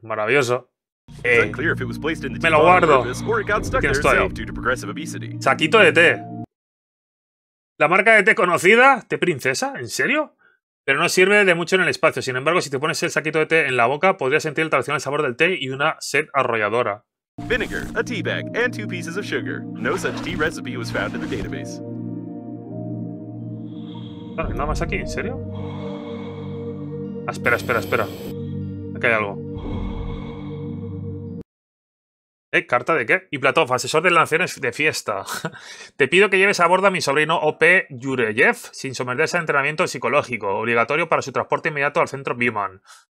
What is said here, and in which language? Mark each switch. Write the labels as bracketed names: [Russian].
[Spanish] Maravilloso. Me lo guardo. ¿Quién estoy? Saquito de té. La marca de té conocida, ¿té princesa? ¿En serio? Pero no sirve de mucho en el espacio. Sin embargo, si te pones el saquito de té en la boca, podrías sentir el tradicional sabor del té y una sed arrolladora. [English] Vinegar, a tea bag, and two pieces of sugar. No such tea recipe was found in the database. [Spanish] No, nada más aquí, ¿en serio? Ah, espera, espera, espera. Aquí hay algo. ¿Carta de qué? Y Platov, asesor de la anciana de fiesta. Te pido que lleves a bordo a mi sobrino OP Yureyev sin someterse a entrenamiento psicológico, obligatorio para su transporte inmediato al centro Biman.